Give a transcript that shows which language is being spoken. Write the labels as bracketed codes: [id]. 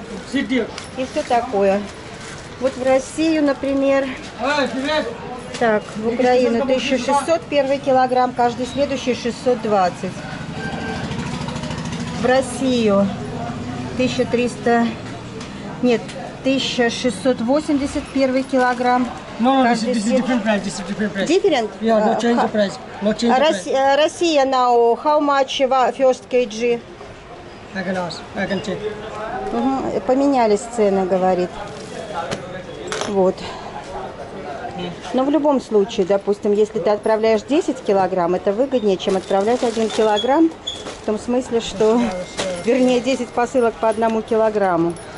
[ru] Сидекс. И все такое. Вот в Россию, например. Так, в Украину 1600 первый килограмм, каждый следующий 620. В Россию 1680 первый килограмм. [en] No, this is different price. Different? Yeah, no change the price. No change the price. Russia now, how much first kg? I can ask. I can check. [ru] Поменялись цены, говорит. Вот. Но в любом случае, допустим, если ты отправляешь 10 килограмм, это выгоднее, чем отправлять 1 килограмм, в том смысле, что, вернее, 10 посылок по 1 килограмму.